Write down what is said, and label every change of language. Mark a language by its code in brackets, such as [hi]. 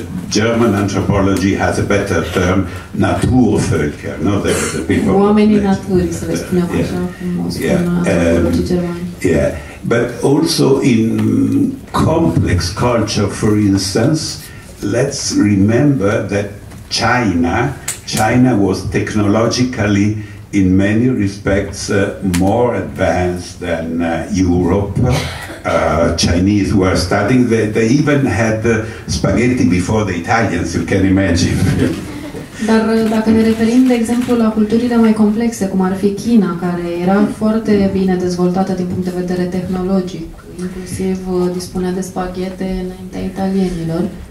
[en] German anthropology has a better term, Naturvölker, no, the people. [ro] Oamenii naturii, să le spunem așa, cum o spun antropologii germani. [en] Yeah, but also in complex culture, for instance, let's remember that China was technologically in many respects more advanced than Europe. Chinese were studying, they even had spaghetti before the Italians, you can imagine. [ro] Dar dacă ne referim, de exemplu, la culturile mai complexe, cum ar fi China, care era foarte bine dezvoltată din punct de vedere tehnologic, inclusiv dispunea de spaghete înaintea italienilor.